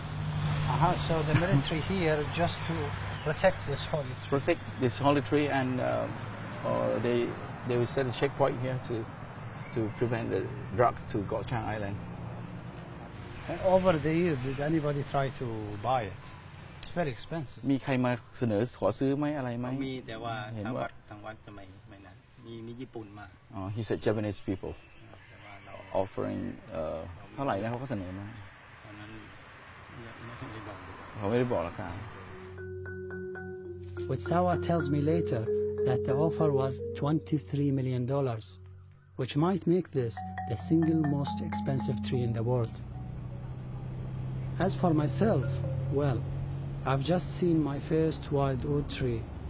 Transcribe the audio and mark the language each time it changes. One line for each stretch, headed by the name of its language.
English: Uh-huh, so the military here just to protect this holy tree. Protect this holy tree and they will set a checkpoint here to prevent the drugs to Gaochang Island. And over the years, did anybody try to buy it? It's very expensive.
Thai: มีใครมาเสนอขอซื้อไหมอะไรไหม มีแต่ว่าทางวัดจะไม่นั้นมีญี่ปุ่นมา อ๋อ
English: he said Japanese people offering
Thai: เท่าไหร่นะเขาก็เสนอมาเขาไม่ได้บอกราคา
English: Wutsawa tells me later that the offer was $23 million, which might make this the single most expensive tree in the world. As for myself, well, I've just seen my first wild oud tree.